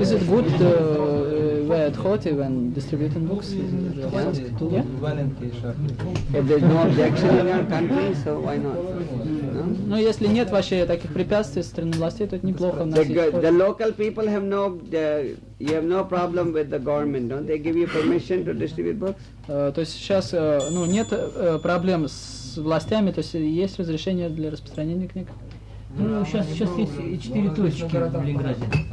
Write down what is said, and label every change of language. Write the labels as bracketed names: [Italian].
[English] is it good to wear at Dhoti when distributing books? If there's no objection in your country, so why not? [Russian] Ну, если нет вообще таких препятствий со стороны властей, то это неплохо. [English] The local people have no... You have no problem with the government, don't they give you permission to distribute books? [Russian] То есть сейчас, ну, нет проблем с властями, то есть есть разрешение для распространения книг? Ну, сейчас есть 4 точки в Ленинграде.